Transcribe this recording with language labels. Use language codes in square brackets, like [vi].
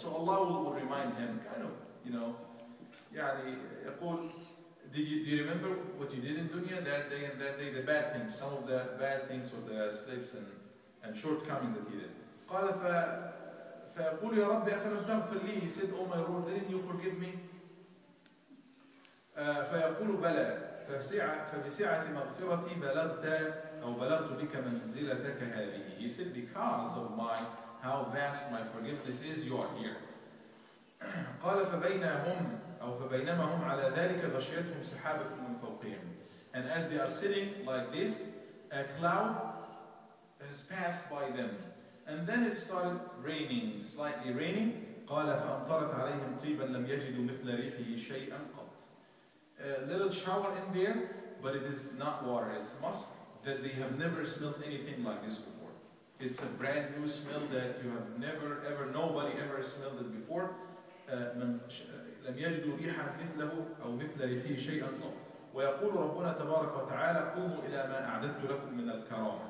[en] So Allah will remind him, kind of, you know, [ar] يعني يقول, [en] do you remember what you did in dunya that day and that day, the bad things, some of the bad things or the slips and shortcomings that he did. قال ف [ar] فيقول يا ربي أفلم تغفر لي؟ [en] He said, oh my Lord, didn't you forgive me? [ar] فيقول بلى، فبسعة مغفرتي بلغت أو بلغت بك منزلتك هذه. [en] He said, because of my, how vast my forgiveness is, you are here. [ar] قال فبينهم أو فبينما هم على ذلك غشيتهم سحابة من فوقهم. [en] And as they are sitting like this, a cloud has passed by them. And then it started raining, slightly raining. [ar] قال فأمطرت عليهم طيبا لم يجدوا مثل ريحه شيئا قط. [en] A little shower in there, but it is not water, it's musk, that they have never smelled anything like this before. It's a brand new smell that you have never ever, nobody ever smelled it before. [ar] لم يجدوا ريحا مثله أو مثل ريحه شيئا قط. ويقول ربنا تبارك وتعالى قوموا إلى ما أعددت لكم من الكرامة.